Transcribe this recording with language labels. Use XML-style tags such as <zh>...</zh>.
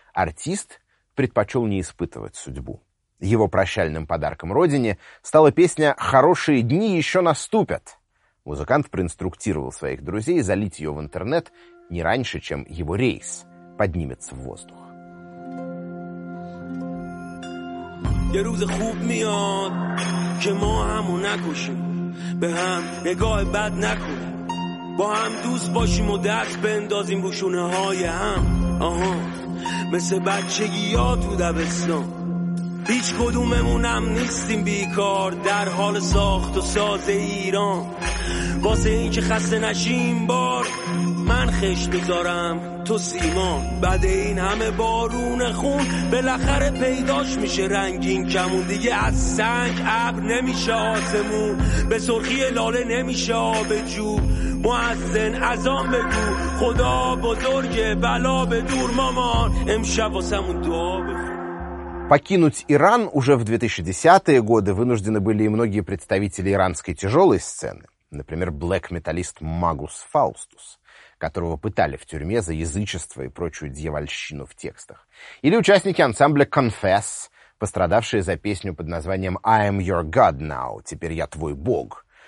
<ru>Артист предпочел не испытывать судьбу. Его прощальным подарком родине стала песня «Хорошие дни еще наступят». Музыкант проинструктировал своих друзей залить ее в интернет не раньше, чем его рейс поднимется в воздух.</ru> <fa>یه روز خوب میاد که ما همو نکشیم به هم نگاه بد نکنیم با هم دوست باشیم و دست بندازیم بوشونه های هم آها مثل بچگی ها تو دبستان هیچ کدوممون هم نیستیم بیکار در حال ساخت و ساز ایران واسه این که خسته نشیم بار من خشت بذارم تو سیمان بعد این همه بارون خون بالاخره پیداش میشه رنگین کمون دیگه از سنگ ابر نمیشه آسمون به سرخی لاله نمیشه آب جو مؤذن اذان بگو خدا بزرگ بلا به دور مامان امشب واسمون دعا بخون.</fa> <ru>Покинуть Иран уже в 2010-е годы вынуждены были и многие представители иранской тяжелой сцены, например, блэк-металлист Магус Фаустус, которого пытали в тюрьме за язычество и прочую дьявольщину в текстах, или участники ансамбля Confess, пострадавшие за песню под названием</ru> <en>«I am your God now»,</en> <ru>«Теперь я твой бог».</ru>